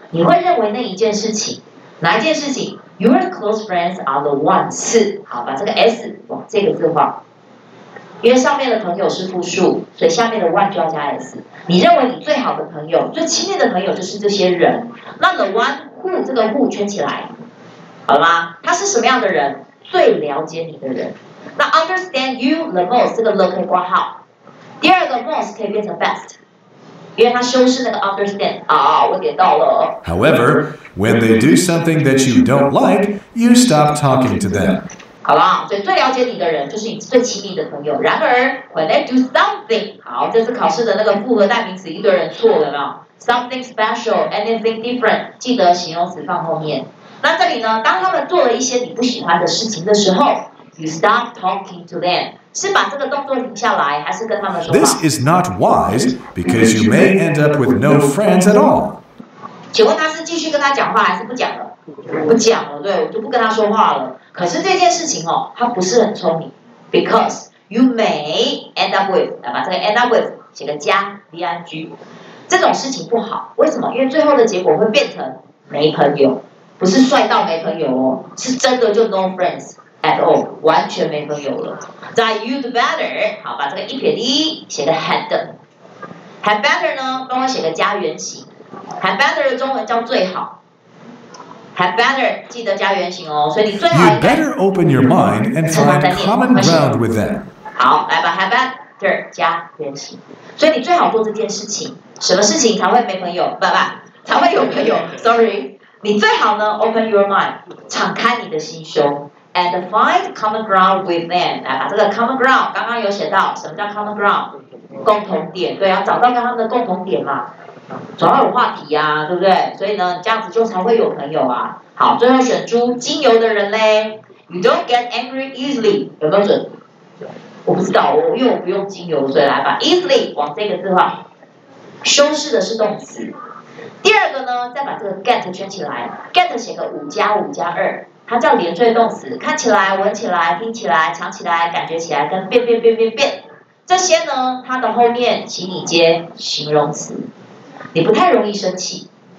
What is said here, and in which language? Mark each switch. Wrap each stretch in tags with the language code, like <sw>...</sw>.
<zh>你会认为那一件事情，哪一件事情 ？</zh> <en>Your close friends are the ones。</en> <zh>好，把这个 s 往这个字放，因为上面的朋友是复数，所以下面的 one 就要加 s。你认为你最好的朋友、最亲密的朋友就是这些人，那 the one who 这个 who 圈起来，好吗？他是什么样的人？最了解你的人。那</zh> <en>understand you the most</en> <zh>这个 the 可以挂号。第二个 most 可以变成 best， 因为它修饰那个 understand 啊，我点到了。</zh> <en>However, when they do something that you don't like, you stop talking to them。</en> <zh>好了，所以最了解你的人就是你最亲密的朋友。然而 ，</zh> <en>when they do something，</en> <zh>好，这次考试的那个复合代名词一堆人错了嘛 ？</zh> <en>Something special, anything different，</en> <zh>记得形容词放后面。那这里呢，当他们做了一些你不喜欢的事情的时候 ，</zh> <en>you stop talking to them。</en> <zh>是把这个动作停下来，还是跟他们说话</zh> <en>？This is not wise because you may end up with no friends at all。</en> <zh>请问他是继续跟他讲话，还是不讲了？不讲了，对，我就不跟他说话了。可是这件事情哦，他不是很聪明 ，</zh> <en>because you may end up with，</en> <zh>来把这个 end up with 写个加 v i g， 这种事情不好。为什么？因为最后的结果会变成没朋友，不是帅到没朋友哦，是真的就</zh> <en>no friends。 At all，</en> <zh>完全没朋友了。</zh> <en>That you'd better，</en> <zh>好，把这个一撇一写个 had。 Had better 呢，帮我写个加原形。Had better 的中文叫最好。</zh> <en>Had better，</en> <zh>记得加原形哦。所以你最好。</zh> <en>You'd better open your mind and find common ground with them。</en> <zh>好，来把 had better 加原形。所以你最好做这件事情，什么事情才会没朋友？不，才会有朋友。</zh> <en>Sorry，</en> <zh>你最好呢</zh> <en>open your mind，</en> <zh>敞开你的心胸。</zh> <en>And find common ground with them。</en> <zh>来把这个 common ground， 刚刚有写到什么叫 common ground， 共同点，对，要找到跟他们的共同点嘛，总要有话题啊，对不对？所以呢，这样子就才会有朋友啊。好，最后选出精油的人嘞。</zh> <en>You don't get angry easily，</en> <zh>有没有准？我不知道，因为我不用精油，所以来把 easily 往这个字画，修饰的是动词。第二个呢，再把这个 get 圈起来 ，get 写个五加五加二。它叫连缀动词，看起来、闻起来、听起来、尝起来、感觉起来，跟变变变变变，这些呢，它的后面请你接形容词，你不太容易生气。</zh>